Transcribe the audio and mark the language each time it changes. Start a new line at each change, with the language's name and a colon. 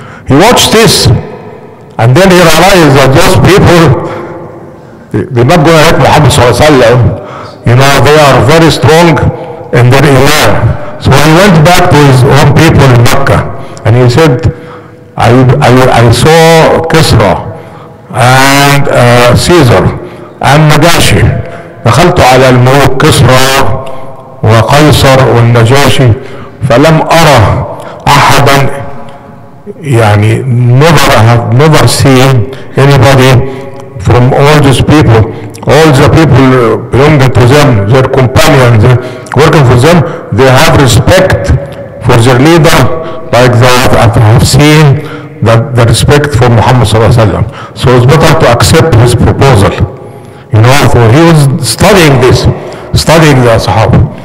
English: He watched this and then he realized that those people, they're not going to hurt Muhammad sallallahu alayhi wa sallam. You know, they are very strong in their iman. So he went back to his own people in Mecca and he said, I saw Kisra and Caesar and Najashi.
Arabic: دخلت على الملوك كسرى وقيصر والنجاشي فلم أرى أحدا, يعني
English: never seen anybody from all these people. All the people belonging to them, their companions, working for them, they have respect for their leader like that. And I have seen the respect for Muhammad sallallahu alayhi wa sallam. So it's better to accept his proposal. You know, so he was studying the Sahaba.